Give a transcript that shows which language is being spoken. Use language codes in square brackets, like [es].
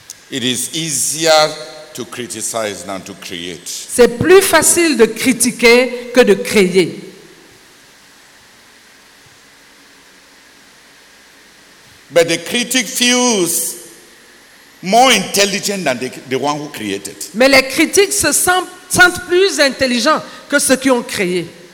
[en] It is easier to criticize than to create. [fr] C'est plus facile de critiquer que de créer. [en] The But the critic feels more intelligent than the one who created. [fr] Mais les critiques se sentent plus intelligents que ceux qui ont créé.